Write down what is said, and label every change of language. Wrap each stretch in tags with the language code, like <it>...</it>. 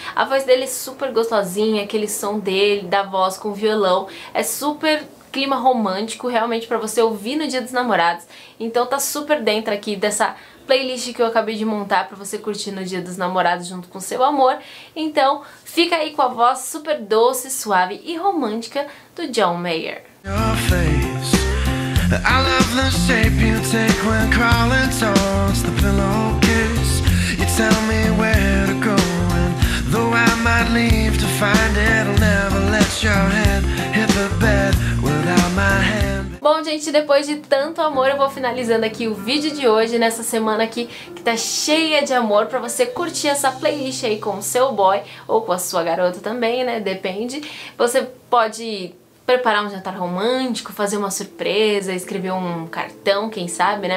<pt>A voz dele é super gostosinha, aquele som dele, da voz com violão, é super clima romântico, realmente para você ouvir no Dia dos Namorados, então tá super dentro aqui dessa playlist que eu acabei de montar pra você curtir no Dia dos Namorados junto com seu amor. Então, fica aí com a voz super doce, suave e romântica do John Mayer.</pt> <en>Your face, I love the shape you take when crawling towards the pillowcase. You tell me where to go and though I might leave to find it, I'll never let your head hit the bed without my hand.</en> <pt>Bom, gente, depois de tanto amor, eu vou finalizando aqui o vídeo de hoje, nessa semana aqui que tá cheia de amor, pra você curtir essa playlist aí com o seu boy ou com a sua garota também, né? Depende. Você pode preparar um jantar romântico, fazer uma surpresa, escrever um cartão, quem sabe, né?</pt>